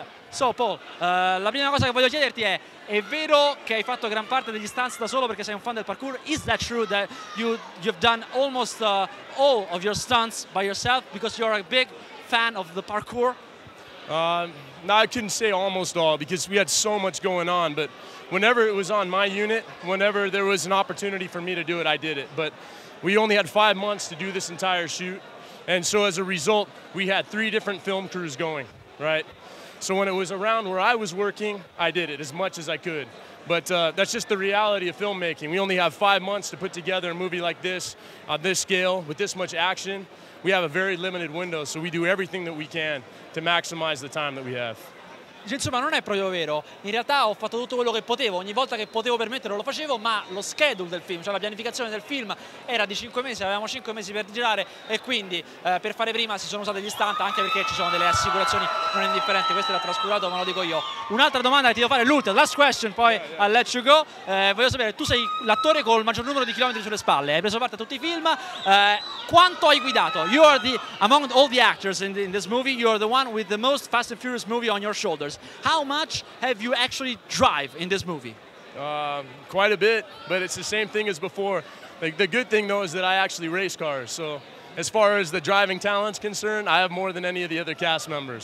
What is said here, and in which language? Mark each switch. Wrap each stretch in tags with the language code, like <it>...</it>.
<it>So, Paul, la prima cosa che voglio chiederti è vero che hai fatto gran parte degli stunts da solo perché sei un fan del parkour?</it> <en>Is that true that you've done almost all of your stunts by yourself because you're a big fan of the parkour? No, I couldn't say almost all because we had so much going on, but whenever it was on my unit, whenever there was an opportunity for me to do it, I did it. But we only had 5 months to do this entire shoot, and so as a result, we had 3 different film crews going, right? So when it was around where I was working, I did it as much as I could. But that's just the reality of filmmaking. We only have 5 months to put together a movie like this, on this scale, with this much action. We have a very limited window, so we do everything that we can to maximize the time that we have.</en> <it>Insomma, non è proprio vero. In realtà ho fatto tutto quello che potevo, ogni volta che potevo permetterlo lo facevo, ma lo schedule del film, cioè la pianificazione del film, era di 5 mesi, avevamo 5 mesi per girare e quindi per fare prima si sono usati gli stunt, anche perché ci sono delle assicurazioni non indifferenti, questo l'ha trascurato, ma lo dico io. Un'altra domanda che ti devo fare, l'ultima,</it> <en>last question,</en> <it>poi</it> <en>I'll let you go.</en> <it>Voglio sapere, tu sei l'attore col maggior numero di chilometri sulle spalle, hai preso parte a tutti i film, quanto hai guidato?</it> <en>You are the, among all the actors in this movie, you are the one with the most Fast and Furious movie on your shoulders. How much have you actually drive in this movie? Quite a bit, but it's the same thing as before. The good thing, though, is that I actually race cars. So as far as the driving talent's concerned, I have more than any of the other cast members.</en>